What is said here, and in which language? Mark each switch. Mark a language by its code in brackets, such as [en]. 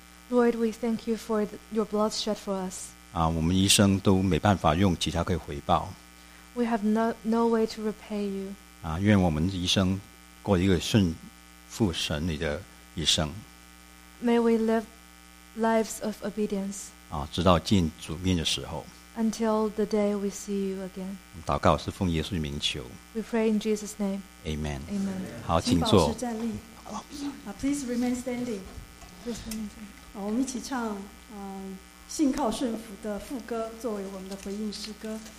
[en] Lord, we thank you for your blood shed for us. [zh] 啊，我们一生都没办法用其他可以回报。 [en] We have no way to repay you. [zh] 啊，愿我们一生过一个顺服神你的一生。 [en] May we live lives of obedience. [zh] 啊，直到见主面的时候。 [en] Until the day we see you again. [zh] 祷告是奉耶稣的名求。 [en] We pray in Jesus' name. Amen. Amen. [zh] 好，请坐。请保持站立。 [en] Please remain standing. Please remain standing. [zh] 好，我们一起唱信靠顺服的副歌作为我们的回应诗歌。